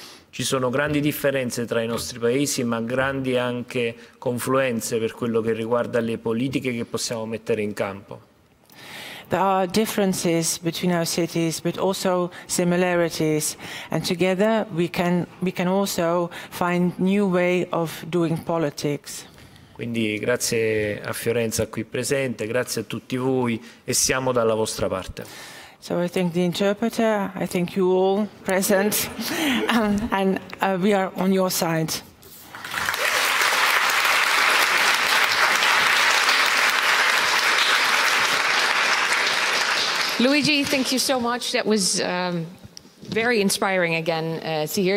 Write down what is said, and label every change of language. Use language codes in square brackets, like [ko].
[it] Ci sono grandi differenze tra i nostri paesi, ma grandi anche confluenze per quello che riguarda le politiche che possiamo mettere in campo. [en] There are differences between our cities, but also similarities, and together we can also find new way of doing politics. [it] Quindi grazie a Fiorenza qui presente, grazie a tutti voi e siamo dalla vostra parte. [en] So I thank the interpreter, I thank you all present, and we are on your side. Luigi, thank you so much. That was very inspiring again to hear.